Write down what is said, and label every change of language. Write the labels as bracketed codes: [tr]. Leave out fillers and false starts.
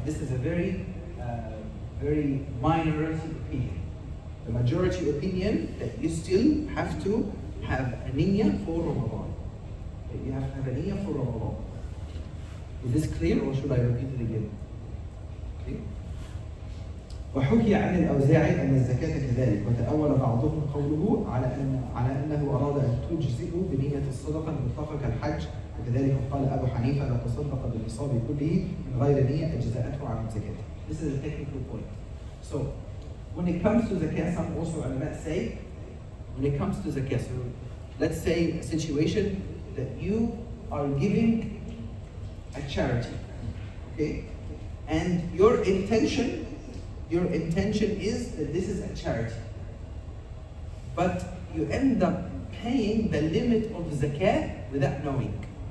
[en] This is a very, very minority opinion. The majority opinion that you still have to have a niyyah for Ramadan. That you have to have a niyyah for Ramadan. Is this clear or should I repeat it again? [ar] وحكي عن الأوزاعي أن الزكاة كذلك, وتأول بعضهم قوله على أنه أراد أن تجزئه بنية الصدقة المتفق الحج. وكذلك قال أبو حنيفة لو تصدق بالنصاب كله من غير نية أجزأته عن الزكاة. [en] This is a technical point. So when it comes to zakat, some also ulama say, when it comes to zakat, so let's say a situation that you are giving a charity, okay, and your intention is that this is a charity, but you end up paying the limit of zakat without knowing.